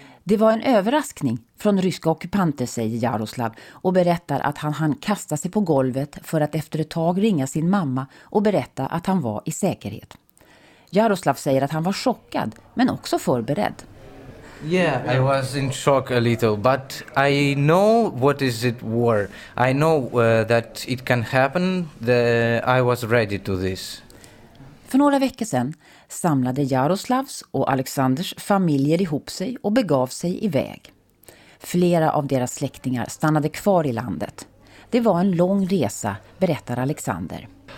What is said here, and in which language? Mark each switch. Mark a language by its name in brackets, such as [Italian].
[Swedish] Det var en överraskning från ryska ockupanter, säger Jaroslav, och berättar att han hann kasta sig på golvet för att efter ett tag ringa sin mamma och berätta att han var i säkerhet. Jaroslav säger att han var chockad men också förberedd. [English] Yeah, I was in shock a little, but I know what is it war. I know that it can happen. I was ready to this. [Swedish] För några veckor sedan samlade Jaroslavs och Alexanders familjer ihop sig och begav sig iväg. Flera av deras släktingar stannade kvar i landet. Det var en lång resa, berättar Alexander.